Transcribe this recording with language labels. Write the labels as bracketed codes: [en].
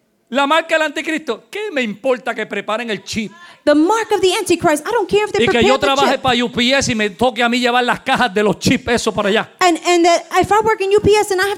[es] La marca del anticristo, ¿qué me importa que preparen el chip? [en] The mark of the antichrist, I don't care if they prepare the chip. [es] Y que yo trabaje para UPS y me toque a mí llevar las cajas de los chips eso para allá. [en] And that if I work in UPS and I have